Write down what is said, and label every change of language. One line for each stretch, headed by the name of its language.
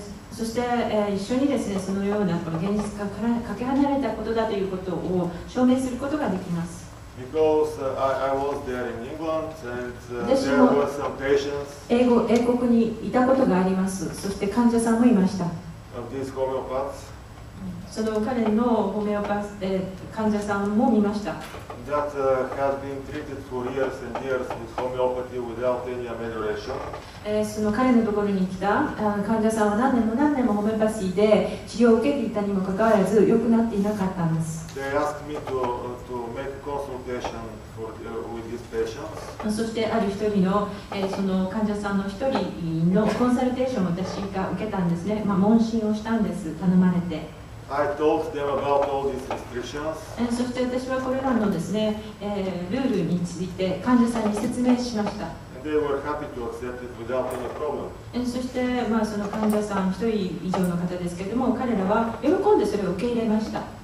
Japanese: そして、一緒にですね、そのようなこの現実からかけ離れたことだということを証明することができます。
English: Because I was there in England and there were some patients.
Japanese: 英国にいたことがあります。そして患者さんもいました。
English: Of these homeopaths.
Japanese: その彼のホメオパス、患者さんも見ました。
English: That has been treated for years and years with homeopathy without any amelioration.
Japanese: その彼のところに来た患者さんは何年も何年もホメオパシーで治療を受けていたにもかかわらず良くなっていなかったんです。
English: They asked me to make consultation for with these patients.
Japanese: そしてある一人の、その患者さんの一人のコンサルテーションを私が受けたんですね。まあ問診をしたんです。頼まれて。
English: I told them about all these restrictions.
Japanese: そして私はこれらのですね、ルールについて患者さんに説明しました。
English: They were happy to accept it without any problem.
Japanese: そして、まあ、その患者さん一人以上の方ですけれども、彼らは喜んでそれを受け入れました。